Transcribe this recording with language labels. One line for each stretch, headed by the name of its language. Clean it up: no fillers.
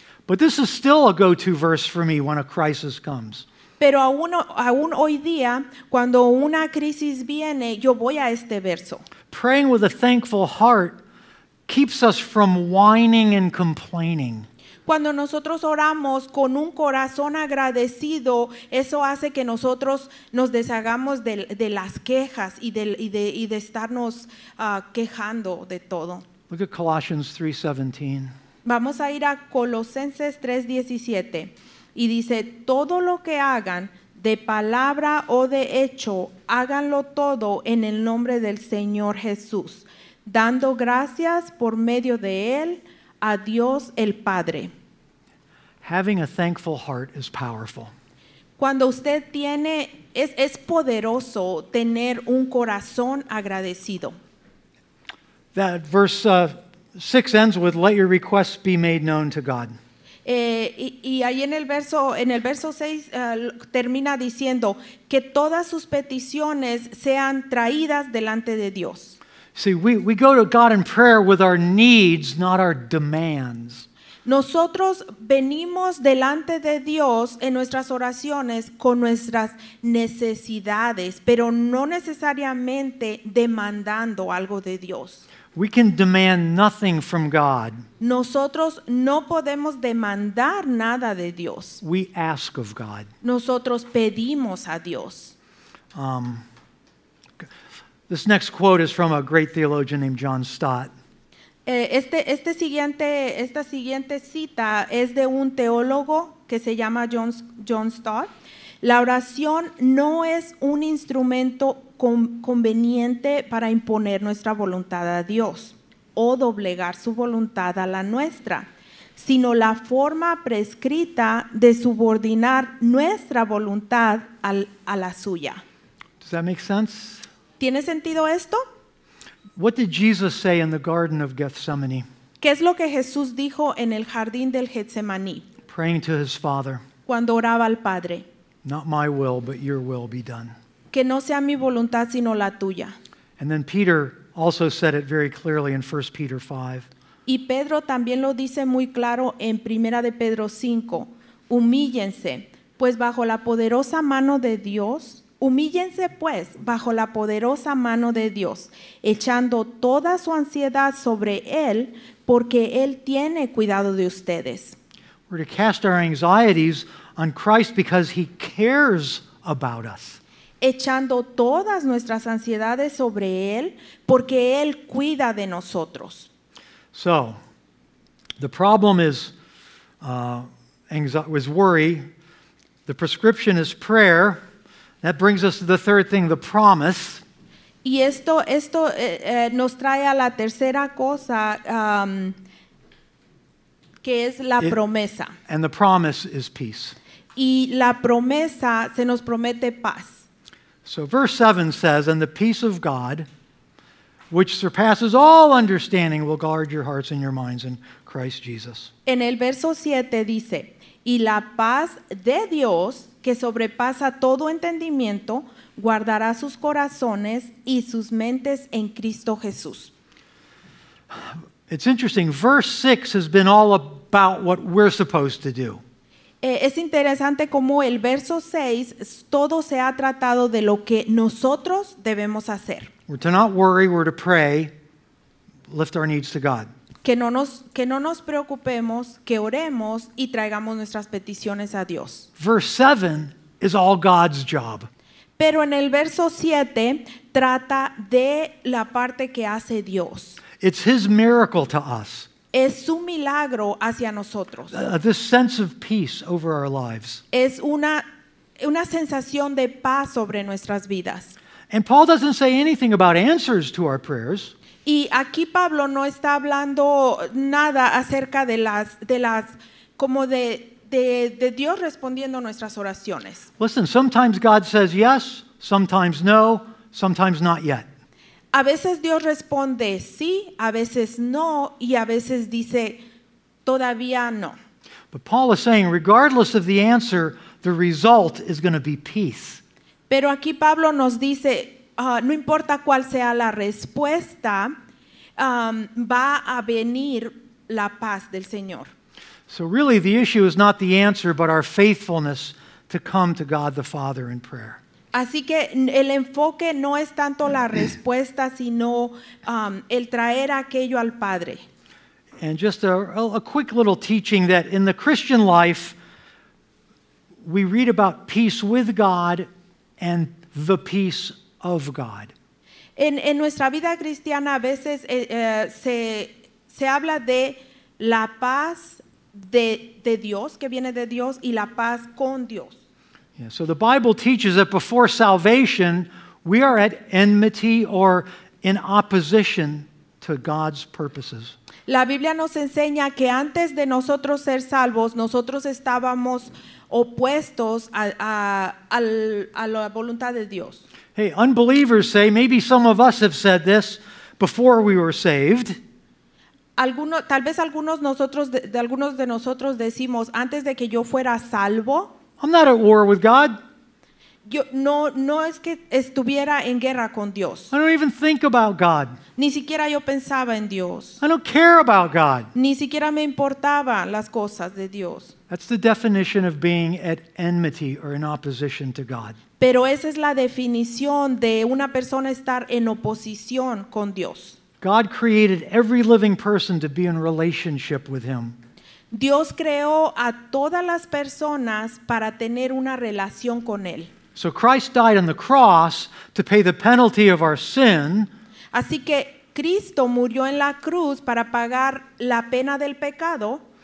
English: But this is still a go-to verse for me when a crisis comes.
Spanish: Pero aún hoy día, cuando una crisis viene, yo voy a este verso.
English: Praying with a thankful heart keeps us from whining and complaining.
Spanish: Cuando nosotros oramos con un corazón agradecido, eso hace que nosotros nos deshagamos de las quejas y de estarnos quejando de todo.
English: Look at Colossians 3:17.
Spanish: Vamos a ir a Colosenses 3:17. Y dice, todo lo que hagan, de palabra o de hecho, háganlo todo en el nombre del Señor Jesús, dando gracias por medio de Él a Dios el Padre.
English: Having a thankful heart is powerful.
Spanish: Cuando usted tiene, es poderoso tener un corazón agradecido.
English: That verse 6 ends with, let your requests be made known to God.
Spanish: Y ahí en el verso 6 termina diciendo que todas sus peticiones sean traídas delante de Dios.
English: See, we go to God in prayer with our needs, not our demands.
Spanish: Nosotros venimos delante de Dios en nuestras oraciones con nuestras necesidades, pero no necesariamente demandando algo de Dios.
English: We can demand nothing from God.
Spanish: Nosotros no podemos demandar nada de Dios.
English: We ask of God.
Spanish: Nosotros pedimos a Dios.
English: This next quote is from a great theologian named John Stott.
Spanish: Esta siguiente cita es de un teólogo que se llama John Stott. La oración no es un instrumento conveniente para imponer nuestra voluntad a Dios o doblegar su voluntad a la nuestra, sino la forma prescrita de subordinar nuestra voluntad a la suya.
English: Does that make sense?
Spanish: ¿Tiene sentido esto?
English: What did Jesus say in the Garden of Gethsemane?
Spanish: ¿Qué es lo que Jesús dijo en el jardín del Getsemaní?
English: Praying to his Father.
Spanish: Cuando oraba al Padre.
English: Not my will, but your will be done.
Spanish: Que no sea mi voluntad, sino la tuya.
English: And then Peter also said it very clearly in 1 Peter 5.
Spanish: Y Pedro también lo dice muy claro en 1 de Pedro 5. Humíllense, pues bajo la poderosa mano de Dios. Humíllense, pues, bajo la poderosa mano de Dios, echando toda su ansiedad sobre Él, porque Él tiene cuidado de ustedes.
English: We're to cast our anxieties on Christ because He cares about us.
Spanish: Echando todas nuestras ansiedades sobre Él, porque Él cuida de nosotros.
English: So, the problem is worry. The prescription is prayer. That brings us to the third thing, the promise.
Spanish: Y esto nos trae a la tercera cosa, que es la promesa.
English: And the promise is peace.
Spanish: Y la promesa se nos promete paz.
English: So verse 7 says, and the peace of God, which surpasses all understanding, will guard your hearts and your minds in Christ Jesus.
Spanish: En el verso 7 dice, y la paz de Dios, que sobrepasa todo entendimiento, guardará sus corazones y sus mentes en Cristo Jesús.
English: It's interesting. Verse 6 has been all about what we're supposed to do.
Spanish: Es interesante cómo el verso 6 todo se ha tratado de lo que nosotros debemos hacer.
English: We're to not worry, we're to pray, lift our needs to God.
Spanish: Que no nos preocupemos, que oremos y traigamos nuestras peticiones a Dios.
English: Verse 7 is all God's job.
Spanish: Pero en el verso 7 trata de la parte que hace Dios.
English: It's His miracle to us.
Spanish: Es su milagro hacia nosotros.
English: This sense of peace over our lives.
Spanish: Es una sensación de paz sobre nuestras vidas.
English: And Paul doesn't say anything about answers to our prayers.
Spanish: Y aquí Pablo no está hablando nada acerca de las como de Dios respondiendo nuestras oraciones.
English: Listen, sometimes God says yes, sometimes no, sometimes not yet.
Spanish: A veces Dios responde sí, a veces no, y a veces dice todavía no.
English: But Paul is saying, regardless of the answer, the result is going to be peace.
Spanish: Pero aquí Pablo nos dice, no importa cuál sea la respuesta, va a venir la paz del Señor.
English: So really the issue is not the answer, but our faithfulness to come to God the Father in prayer.
Spanish: Así que el enfoque no es tanto la respuesta, sino el traer aquello al Padre.
English: And just a quick little teaching that in the Christian life, we read about peace with God and the peace of God.
Spanish: En nuestra vida cristiana a veces se habla de la paz de Dios, que viene de Dios, y la paz con Dios.
English: Yeah, so the Bible teaches that before salvation, we are at enmity or in opposition to God's purposes.
Spanish: La Biblia nos enseña que antes de nosotros ser salvos, nosotros estábamos opuestos a la voluntad de Dios.
English: Hey, unbelievers say, maybe some of us have said this before we were saved.
Spanish: Algunos de nosotros decimos, antes de que yo fuera salvo,
English: I'm not at war with God.
Spanish: No es que estuviera en guerra con Dios.
English: I don't even think about God.
Spanish: Ni siquiera yo pensaba en Dios.
English: I don't care about God.
Spanish: Ni siquiera me importaban las cosas de Dios.
English: That's the definition of being at enmity or in opposition to God.
Spanish: Pero esa es la definición de una persona estar en oposición con Dios.
English: God created every living person to be in relationship with Him.
Spanish: Dios creó a todas las personas para tener una relación con Él.
English: So Christ died on the cross to pay the penalty of our sin.
Spanish: Así que Cristo murió en la cruz para pagar la pena del pecado.